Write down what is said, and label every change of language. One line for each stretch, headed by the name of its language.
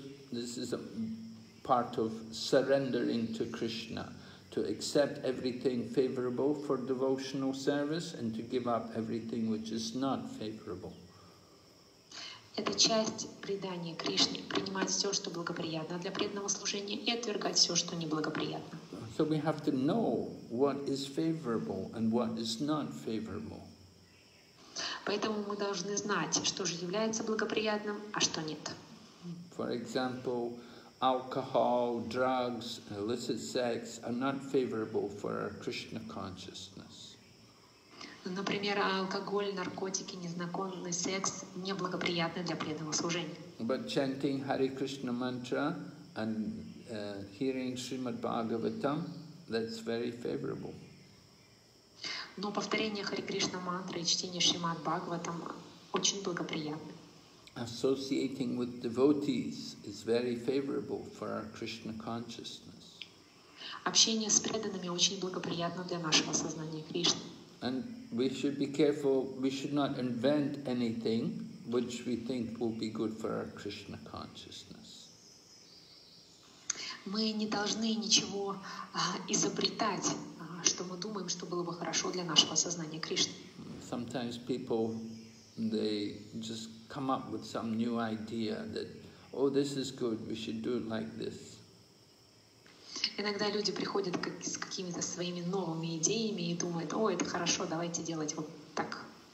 English: This is a part of surrendering to Krishna, to accept everything favorable for devotional service and to give up everything which is not favorable.
Russian: Это часть предания Кришне, принимать все, что благоприятно для преданного служения, и отвергать все, что неблагоприятно.
English: So we have to know what is favorable and what is not favorable.
Russian: Поэтому мы должны знать, что же является благоприятным, а что нет.
English: For example, alcohol, drugs, illicit sex are not favorable for our Krishna consciousness.
Russian: Например, алкоголь, наркотики, незаконный секс неблагоприятны для преданного служения.
English: But chanting Hare Krishna mantra and hearing Srimad Bhagavatam, that's very favorable.
Russian: Но повторение Hare Krishna mantra и чтение Шримад Бхагаватам очень благоприятны.
English: Associating with devotees is very favorable for our Krishna consciousness.
Russian: Общение с преданными очень благоприятно для нашего сознания Кришны.
English: And we should be careful, we should not invent anything which we think will be good for our Krishna consciousness.
Russian: Мы не должны ничего изобретать, что мы думаем, что было бы хорошо для нашего сознания Кришны.
English: Sometimes people, they just come up with some new idea that, oh, this is good, we should do it like this.
Russian: Иногда люди приходят с какими-то своими новыми идеями и думают, о, это хорошо, давайте делать вот так.